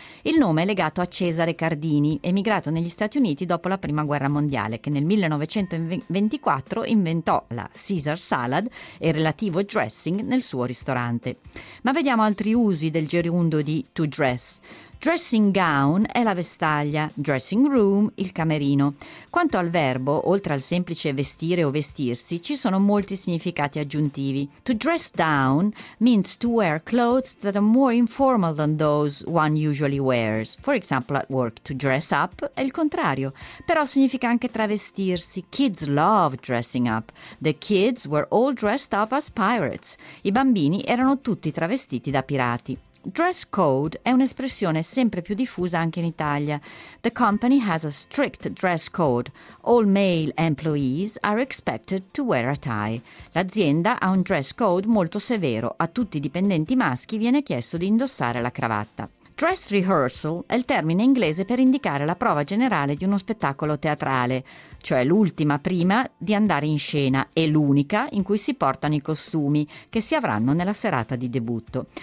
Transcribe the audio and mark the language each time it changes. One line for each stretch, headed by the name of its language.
Italian: Il nome è legato a Cesare Cardini, emigrato negli Stati Uniti dopo la Prima Guerra Mondiale, che nel 1924 inventò la Caesar Salad e relativo dressing nel suo ristorante. Ma vediamo altri usi del gerundo di to dress. Dressing gown è la vestaglia, dressing room il camerino. Quanto al verbo, oltre al semplice vestire o vestirsi, ci sono molti significati aggiuntivi.
English: To dress down means to wear clothes that are more informal than those one usually wears. For example, at work,
Italian: to dress up è il contrario, però significa anche travestirsi.
English: Kids love dressing up. The kids were all dressed up as pirates.
Italian: I bambini erano tutti travestiti da pirati. Dress code è un'espressione sempre più diffusa anche in Italia.
English: The company has a strict dress code. All male employees are expected to wear a tie.
Italian: L'azienda ha un dress code molto severo. A tutti i dipendenti maschi viene chiesto di indossare la cravatta. Dress rehearsal è il termine inglese per indicare la prova generale di uno spettacolo teatrale, cioè l'ultima prima di andare in scena e l'unica in cui si portano i costumi che si avranno nella serata di debutto.